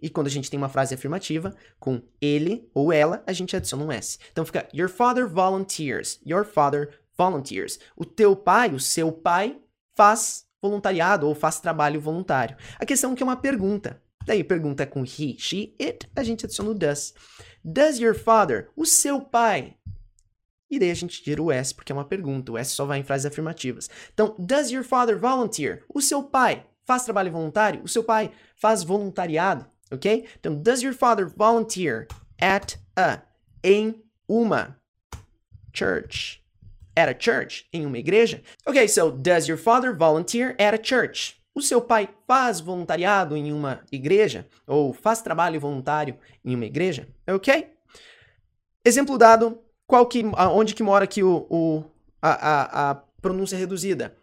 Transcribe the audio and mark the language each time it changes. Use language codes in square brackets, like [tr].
[pt] E quando a gente tem uma frase afirmativa com ele ou ela, a gente adiciona um S. Então fica, [en] your father volunteers, your father volunteers. [pt] O teu pai, o seu pai, faz voluntariado ou faz trabalho voluntário. A questão é que é uma pergunta. Daí pergunta com he, she, it, a gente adiciona o does. [en] Does your father, [pt] o seu pai? E daí a gente tira o S, porque é uma pergunta. O S só vai em frases afirmativas. Então, [en] does your father volunteer, [pt] o seu pai? Faz trabalho voluntário? O seu pai faz voluntariado, ok? Então, [en] does your father volunteer at a, [pt] em uma church? [en] At a church, [pt] em uma igreja? [en] Ok, so, does your father volunteer at a church? [pt] O seu pai faz voluntariado em uma igreja? Ou faz trabalho voluntário em uma igreja? Ok? Exemplo dado, onde que mora aqui a pronúncia reduzida?